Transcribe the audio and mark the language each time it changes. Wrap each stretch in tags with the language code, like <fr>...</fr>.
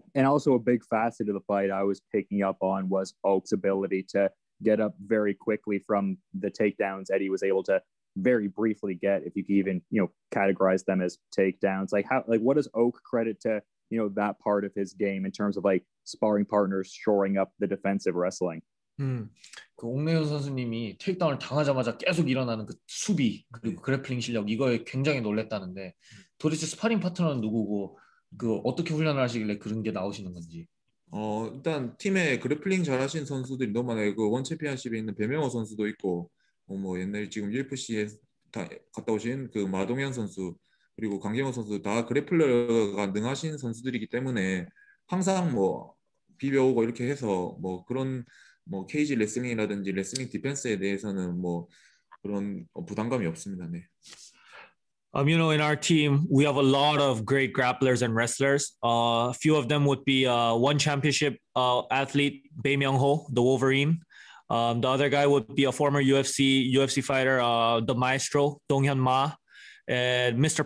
<en>And also a big facet of the fight I was picking up on was Oak's ability to get up very quickly from the takedowns Eddie was able to very briefly get, if you can even, you know, categorize them as takedowns. Like what does Oak credit to, you know, that part of his game in terms of like sparring partners shoring up the defensive wrestling?</en> <ko>그 옥내현 선수님이 테이크다운을 당하자마자 계속 일어나는 그 수비 그리고 그래플링 실력 이거에 굉장히 놀랬다는데 도대체 스파링 파트너는 누구고 그 어떻게 훈련을 하시길래 그런 게 나오시는 건지. 일단 팀에 그래플링 잘하신 선수들이 너무 많아요. 그 원챔피언십에 있는 배명호 선수도 있고 뭐 옛날 지금 UFC에 갔다 오신 그 마동현 선수 그리고 강경호 선수 다 그래플러가 능하신 선수들이기 때문에 항상 뭐 비벼오고 이렇게 해서 뭐 그런 뭐 케이지 레슬링이라든지 레슬링 디펜스에 대해서는 뭐 그런 부담감이 없습니다. 네.</ko> <en>You know, in our team, we have a lot of great grapplers and wrestlers. A few of them would be one championship athlete, Bae Myung-ho, the Wolverine. The other guy would be a former UFC fighter, the maestro, Donghyun Ma. And Mr.</en>